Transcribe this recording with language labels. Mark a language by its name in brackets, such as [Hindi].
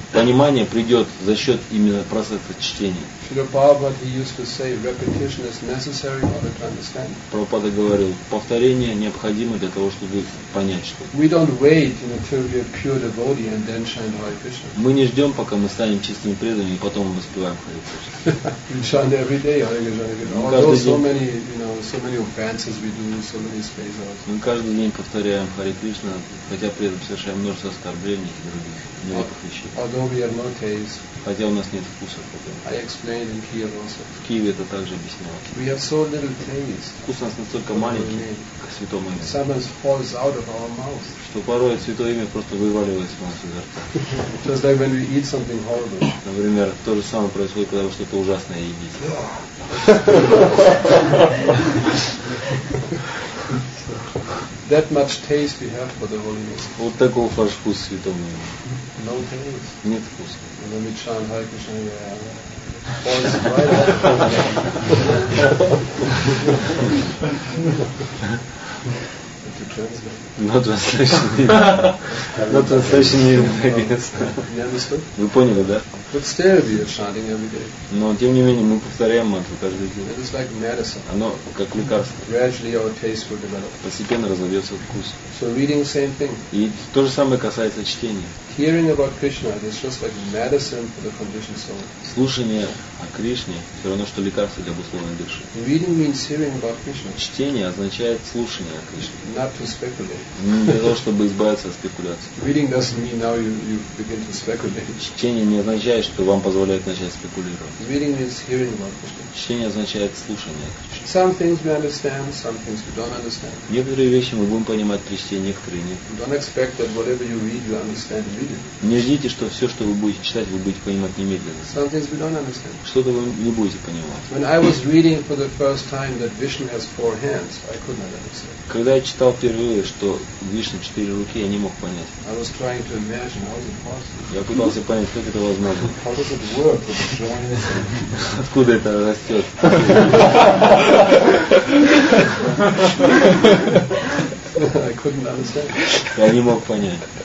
[Russian] Понимание придет за счет именно процесса чтения. [English] Srila Prabhupada, he used to say, repetition is necessary in order to understand. [Russian] Прабхупада говорил, повторение необходимо для того, чтобы понять что. [English] We don't wait until we are pure devotee and then chant Hare Krishna. [Russian] Мы не ждем, пока мы станем чистыми преданными, и потом мы воспеваем Hare [English] Krishna. We chant every day Hare Krishna. Although so many, you know, so many offenses we do, so many spaces. [Russian] Мы каждый день повторяем Hare Krishna. Хотя при этом совершаем множество оскорблений и других неловких вещей. [English] Although we have no taste. [Russian] Хотя у нас нет вкуса. [English] I explained in Kiev also. [Russian] В Киеве это также объяснялось. [English] We have so little taste. [Russian] Вкус у нас настолько маленький, как святому имя. [English] Sometimes falls out of our mouth. [Russian] Что порой святое имя просто вываливается у нас изо рта. [English] Just like when we eat something horrible. [Russian] Например, то же самое происходит, когда вы что-то ужасное едите. [English] That much taste we have for the Holy Name. [Russian] Вот такого ваш вкус святому имени. [English] No taste. [Russian] Нет вкуса. [English] And then we chant Hare Krishna, falls right out. No translation. No translation needed, I guess. [Russian] Вы поняли, да? [English] But still we are chanting every day. [Russian] Но тем не менее мы повторяем мантру каждый день. [English] It is like medicine. [Russian] Оно как лекарство. [English] Gradually our taste will develop. [Russian] Постепенно разовьется вкус. [English] So reading same thing. [Russian] И то же самое касается чтения. [English] Hearing about Krishna is just like medicine for the conditioned soul. [Russian] Слушание о Кришне все равно что лекарство для обусловленной души. [English] Reading means hearing about Krishna. [Russian] Чтение означает слушание о Кришне. [English] Not to speculate. [Russian] Для того чтобы избавиться от спекуляций. [English] Reading doesn't mean now you begin to speculate. [Russian] Чтение не означает, что вам позволяет начать спекулировать. [English] Reading means hearing about Krishna. [Russian] Чтение означает слушание о Кришне. [English] Some things we understand, some things we don't understand. [Russian] Некоторые вещи мы будем понимать при чтении, некоторые нет. [English] Don't expect that whatever you read, you understand. [Russian] Не ждите, что все, что вы будете читать, вы будете понимать немедленно. [English] Some things we don't understand. [Russian] Что-то вы не будете понимать. [English] When I was reading for the first time that Vishnu has four hands, I could not understand. [Russian] Когда я читал впервые, что Вишна четыре руки, я не мог понять. [English] I was trying to imagine how is it possible. [Russian] Я пытался понять, как это возможно. [English] How does it work with the joints? [Russian] Откуда это растет? [English] I couldn't understand. [Russian] Я не мог понять.